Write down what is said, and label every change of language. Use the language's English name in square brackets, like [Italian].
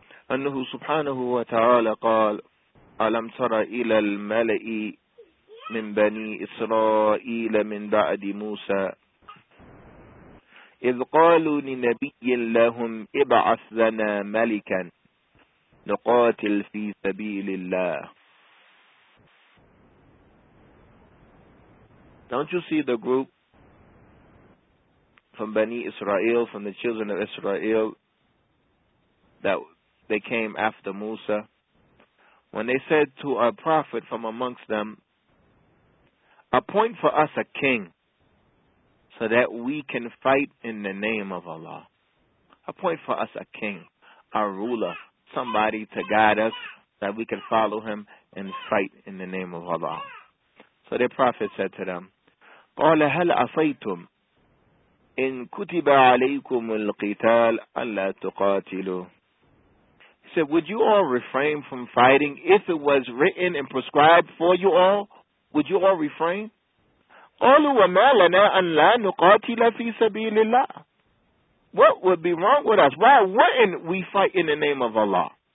[Arabic] أنه سبحانه وتعالى قال ألم تر إلى الملأ من بني إسرائيل من بعد موسى إذ قالوا لنبي لهم ابعث لنا ملكا نقاتل في سبيل الله. [English] Don't you see the group from Bani Israel, from the children of Israel, that they came after Musa, when they said to a prophet from amongst them, appoint for us a king so that we can fight in the name of Allah. Appoint for us a king, a ruler, somebody to guide us that we can follow him and fight in the name of Allah. So their prophet said to them, [Arabic] قَالَ هَلْ أَصَيْتُمْ إِن كُتِبَ عَلَيْكُمُ الْقِتَالَ أَلَّا تُقَاتِلُوا. [English] He said, would you all refrain from fighting if it was written and prescribed for you all? Would you all refrain? [Arabic] قَالُوا وَمَا لَنَا أَنْ لَا نُقَاتِلَ فِي سَبِيلِ اللَّهِ. [English] What would be wrong with us? Why wouldn't we fight in the name of Allah?